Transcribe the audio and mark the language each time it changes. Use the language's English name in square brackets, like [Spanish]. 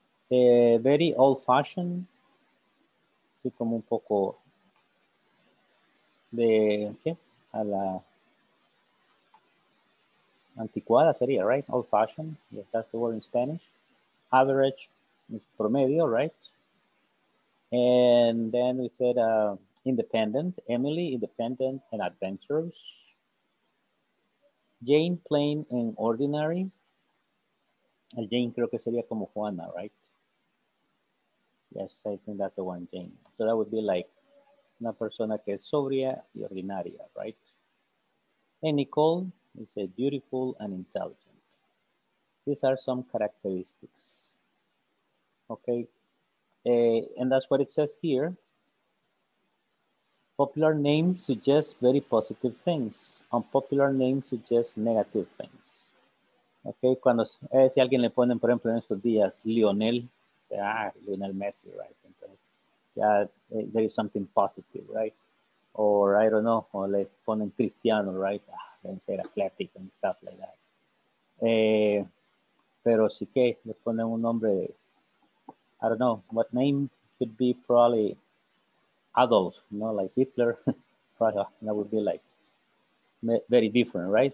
[English] Very old fashioned, [Spanish] así como un poco de ¿qué? A la anticuada sería, [English] right? Old fashioned, yes, that's the word in Spanish. Average is [Spanish] promedio, [English] right? And then we said independent, Emily, independent and adventurous. Jane, plain and ordinary. And Jane, [Spanish] creo que sería como [English] Juana, right? Yes, I think that's the one, Jane. So that would be like [Spanish] una persona que es sobria y ordinaria, [English] right? And Nicole, it's a beautiful and intelligent. These are some characteristics. Okay. And that's what it says here. Popular names suggest very positive things. Unpopular names suggest negative things. Okay. [Spanish] Cuando si alguien le ponen, por ejemplo, en estos días, Lionel, Lionel Messi, [English] right? Yeah, there is something positive, right? Or I don't know, or [Spanish] le ponen [English] Cristiano, right? Then say athletic and stuff like that. [Spanish] Pero si que le ponen un nombre, [English] I don't know, what name could be probably Adolf, you know, like Hitler, probably that would be like very different, right?